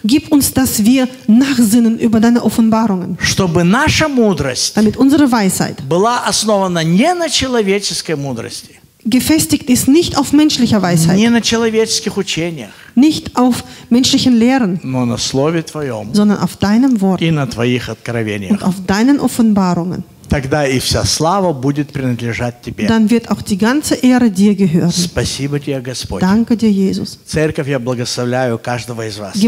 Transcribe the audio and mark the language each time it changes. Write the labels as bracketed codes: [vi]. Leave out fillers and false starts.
[de] Gib uns, dass wir nachsinnen über deine Offenbarungen. [ru] Чтобы наша мудрость, [de] damit unsere Weisheit, [ru] была основана не на человеческой мудрости. [de] Gefestigt ist nicht auf menschlicher Weisheit. [ru] Не на человеческих учениях. [de] Nicht auf menschlichen Lehren. [ru] Но на слове твоем. [de] Sondern auf deinem Wort. [ru] И на твоих откровениях. [de] Und auf deinen Offenbarungen. [ru] Тогда и вся слава будет принадлежать тебе. [de] Dann wird auch die ganze Ehre dir gehören. [ru] Спасибо тебе, Господь. [de] Danke dir, Jesus. [ru] Церковь, я благословляю каждого из вас.